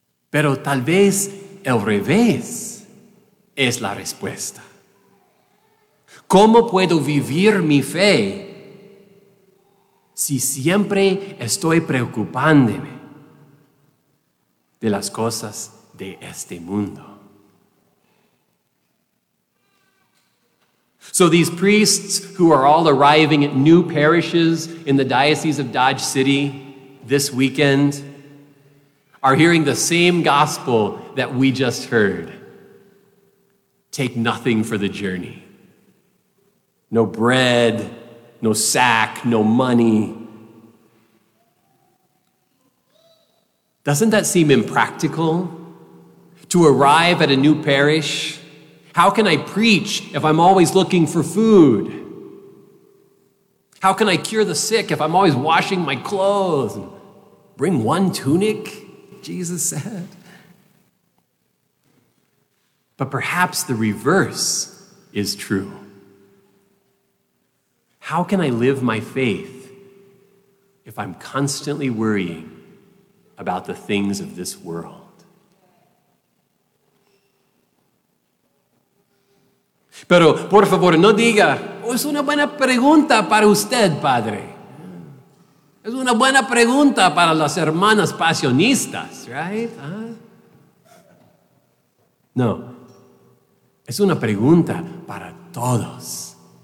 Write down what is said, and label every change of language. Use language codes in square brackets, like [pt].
[es] Pero tal vez el revés es la respuesta. ¿Cómo puedo vivir mi fe si siempre estoy preocupándome de las cosas de este mundo? [en] So these priests who are all arriving at new parishes in the Diocese of Dodge City this weekend are hearing the same gospel that we just heard. Take nothing for the journey. No bread, no sack, no money. Doesn't that seem impractical? To arrive at a new parish? How can I preach if I'm always looking for food? How can I cure the sick if I'm always washing my clothes? Bring one tunic, Jesus said. But perhaps the reverse is true. How can I live my faith if I'm constantly worrying about the things of this world? [es] Pero, por favor, no diga, es una buena pregunta para usted, padre. Es una buena pregunta para las hermanas pasionistas, right? No, es una pregunta para todos.